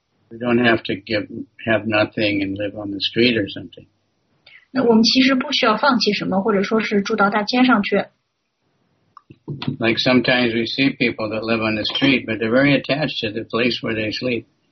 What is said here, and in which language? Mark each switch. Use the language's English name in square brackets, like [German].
[English] We don't have to have nothing and live on the street or something. [Chinese] 那我们其实不需要放弃什么，或者说是住到大街上去。 [English] Like sometimes we see people that live on the street, but they're very attached to the place where they sleep.